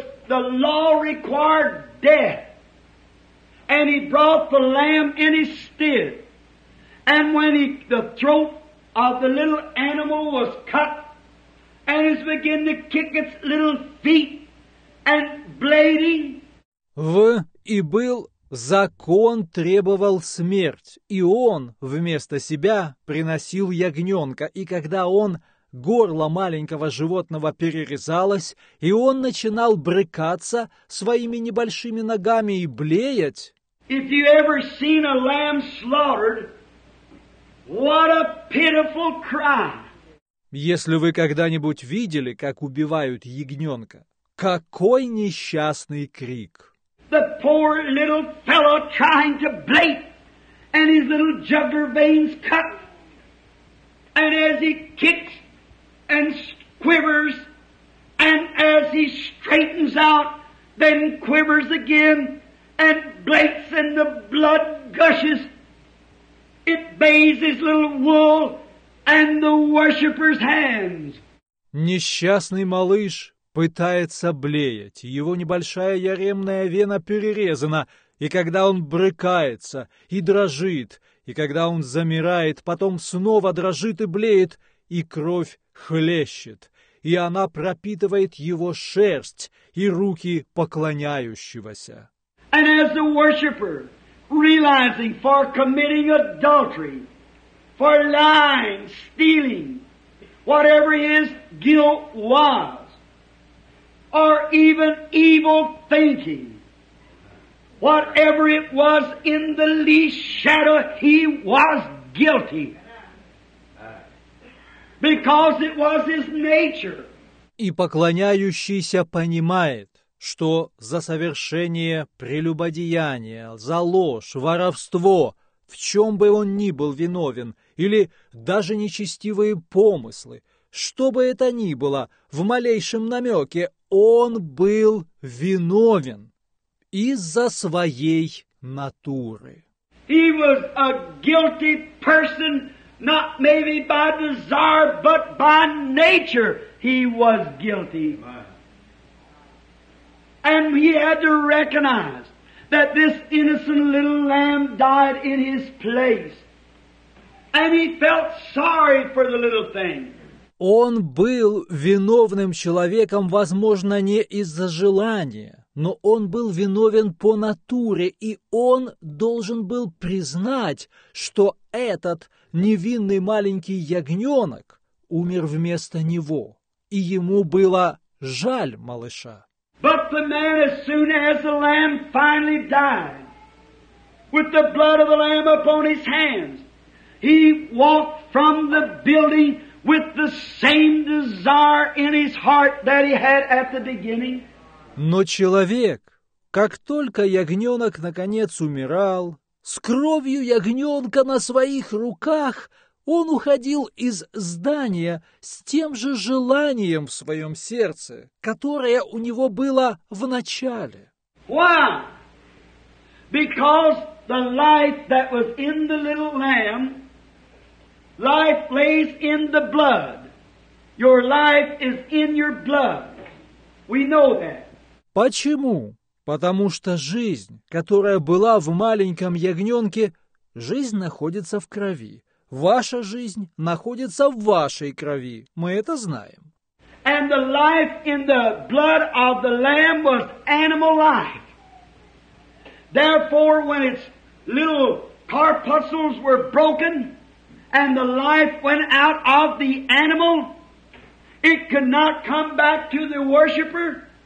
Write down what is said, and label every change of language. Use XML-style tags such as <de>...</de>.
<en>The law required death, and he brought the lamb in his stead. And when the throat of the little animal was cut, and it began to kick its little feet and bleeding.</en> <ru>В и был закон требовал смерть, и он вместо себя приносил ягненка, и когда он горло маленького животного перерезалось, и он начинал брыкаться своими небольшими ногами и блеять.</ru> <en>If you ever seen a lamb slaughtered, what a pitiful cry.</en> <ru>Если вы когда-нибудь видели, как убивают ягненка, какой несчастный крик.</ru> <en>The poor little fellow trying to bleat, and his little jugular veins cut, and as he kicks and quivers, and as he straightens out, then quivers again, and bleats, and the blood gushes. It bathes his little wool and the worshipper's hands.</en> <ru>Несчастный малыш пытается блеять. Его небольшая яремная вена перерезана, и когда он брыкается и дрожит, и когда он замирает, потом снова дрожит и блеет, и кровь хлещет, и она пропитывает его шерсть и руки поклоняющегося.</ru> <en>And as the worshipper, realizing for committing adultery, for lying, stealing, whatever his guilt was, or even evil thinking, whatever it was, in the least shadow, he was guilty. Because it was his nature.</en> <ru>И поклоняющийся понимает, что за совершение прелюбодеяния, за ложь, воровство, в чем бы он ни был виновен, или даже нечестивые помыслы, что бы это ни было, в малейшем намеке, он был виновен из-за своей натуры.</ru> <en>He was a guilty person. Not maybe by desire, but by nature he was guilty. And he had to recognize that this innocent little lamb died in his place. And he felt sorry for the little thing.</en> <ru>Он был виновным человеком, возможно, не из-за желания, но он был виновен по натуре, и он должен был признать, что этот невинный маленький ягненок умер вместо него, и ему было жаль малыша.</ru> <en>But the man, as soon as the Lamb finally died, with the blood of the Lamb upon his hands, he walked from the building with the same desire in his heart that he had at the beginning.</en> <ru>Но человек, как только ягненок наконец умирал, с кровью ягненка на своих руках, он уходил из здания с тем же желанием в своем сердце, которое у него было в начале.</ru> <en>Why? Because the life that was in the little lamb, life lays in the blood. Your life is in your blood. We know that.</en> <ru>Почему? Потому что жизнь, которая была в маленьком ягненке, жизнь находится в крови. Ваша жизнь находится в вашей крови. Мы это знаем.</ru> <en>And the life in the blood of the lamb was animal life. Therefore, when its little corpuscles were broken and the life went out of the animal, it could not come back to the worshiper.</en>